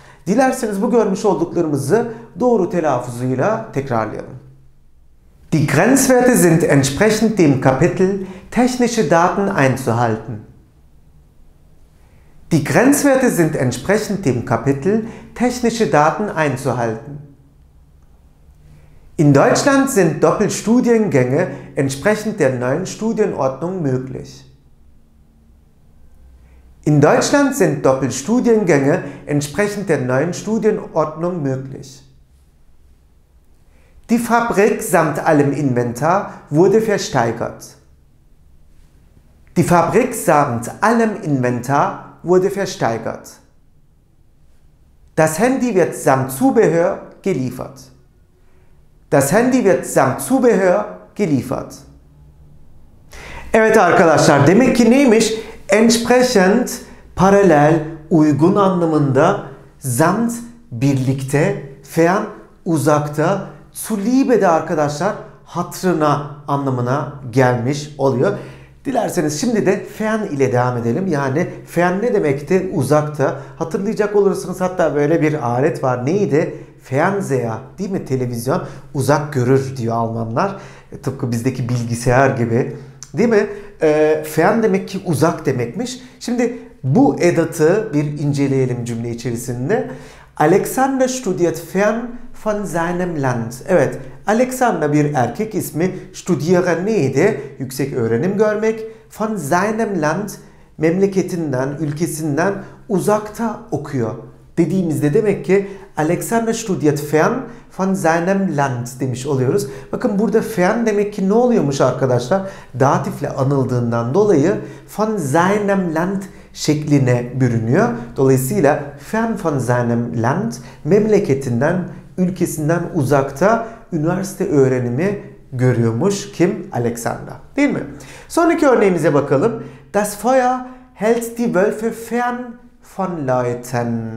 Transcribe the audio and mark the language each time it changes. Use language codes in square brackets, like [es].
[tr] Dilerseniz bu görmüş olduklarımızı doğru telaffuzuyla tekrarlayalım. [de] Die Grenzwerte sind entsprechend dem Kapitel technische Daten einzuhalten. Die Grenzwerte sind entsprechend dem Kapitel technische Daten einzuhalten. In Deutschland sind Doppelstudiengänge entsprechend der neuen Studienordnung möglich. In Deutschland sind Doppelstudiengänge entsprechend der neuen Studienordnung möglich. Die Fabrik samt allem Inventar wurde versteigert. Die Fabrik samt allem Inventar wurde versteigert. Das Handy wird samt Zubehör geliefert. Das Handy wird samt Zubehör geliefert. [tr] Evet arkadaşlar, demek ki neymiş? Entsprechend, parallel, uygun anlamında, samt, birlikte, fern, uzakta, zu liebe de arkadaşlar hatırına anlamına gelmiş oluyor. Dilerseniz şimdi de fern ile devam edelim. Yani fern ne demekti? Uzakta. Hatırlayacak olursunuz, hatta böyle bir alet var. Neydi? Fernseher değil mi? Televizyon. Uzak görür diyor Almanlar. Tıpkı bizdeki bilgisayar gibi. Değil mi? Fern demek ki uzak demekmiş. Şimdi bu edatı bir inceleyelim cümle içerisinde. [de] Alexander studiert fern von seinem Land. [tr] Evet, Alexander bir erkek ismi. Studieren neydi? Yüksek öğrenim görmek. [de] Von seinem Land, [tr] memleketinden, ülkesinden uzakta okuyor. Dediğimizde demek ki [de] Alexander studiert fern von seinem Land [tr] demiş oluyoruz. Bakın burada fern demek ki ne oluyormuş arkadaşlar? Datifle anıldığından dolayı [de] von seinem Land [tr] şekline bürünüyor. Dolayısıyla [de] fern von seinem Land, [tr] memleketinden, ülkesinden uzakta üniversite öğrenimi görüyormuş. Kim? Alexander. Değil mi? Sonraki örneğimize bakalım. [de] Das Feuer hält die Wölfe fern von Leuten.